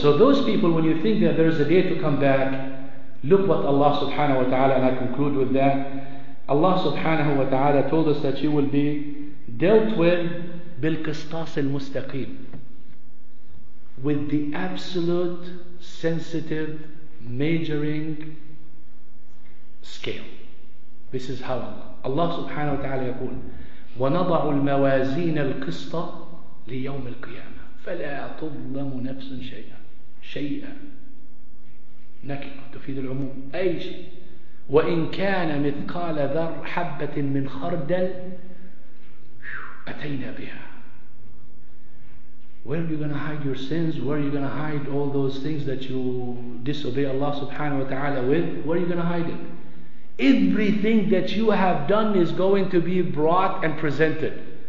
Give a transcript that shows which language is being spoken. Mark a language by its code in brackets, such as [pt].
[en] So those people, when you think that there is a day to come back, look what Allah subhanahu wa ta'ala, and I conclude with that, Allah subhanahu wa ta'ala told us that you will be dealt with [ar] بالقصطاص المستقيم, [en] with the absolute sensitive measuring scale. This is how [ar] Allah subhanahu wa ta'ala يقول وَنَضَعُ الْمَوَازِينَ الْقِسْطَ لِيَوْمِ الْقِيَامَةِ فَلَا تُظْلَمُ نَفْسٌ شَيْئًا نكرة تفيد العموم أي شيء وَإِنْ كَانَ مِثْقَالَ ذَرْ حَبَّةٍ مِنْ خَرْدَلٍ أَتَيْنَا بِهَا. [en] Where are you going to hide your sins? Where are you going to hide all those things that you disobey Allah subhanahu wa ta'ala with? Where are you going to hide it? Everything that you have done is going to be brought and presented.